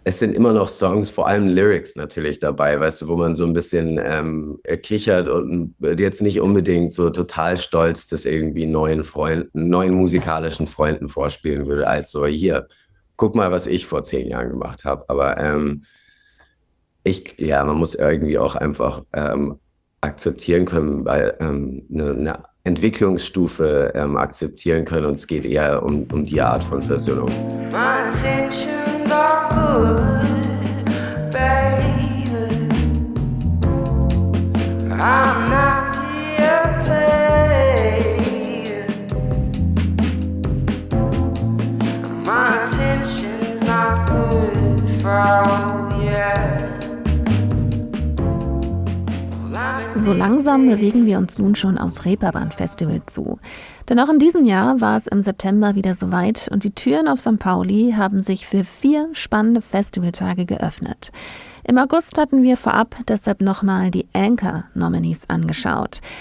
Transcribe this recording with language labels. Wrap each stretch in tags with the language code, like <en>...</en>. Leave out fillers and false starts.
<de>Es sind immer noch Songs, vor allem Lyrics natürlich dabei, weißt du, wo man so ein bisschen kichert und jetzt nicht unbedingt so total stolz, das irgendwie neuen Freunden, neuen musikalischen Freunden vorspielen würde, als so, hier, guck mal, was ich vor 10 Jahren gemacht habe. Aber man muss irgendwie auch einfach akzeptieren können, weil eine Entwicklungsstufe akzeptieren können, und es geht eher um die Art von Versöhnung.</de> <en>My intentions are good, baby. I'm not here to play. My intentions are good for all.</en> <de>So langsam bewegen wir uns nun schon aufs Reeperbahn-Festival zu. Denn auch in diesem Jahr war es im September wieder soweit und die Türen auf St. Pauli haben sich für 4 spannende Festivaltage geöffnet. Im August hatten wir vorab deshalb nochmal die Anchor-Nominees angeschaut.</de>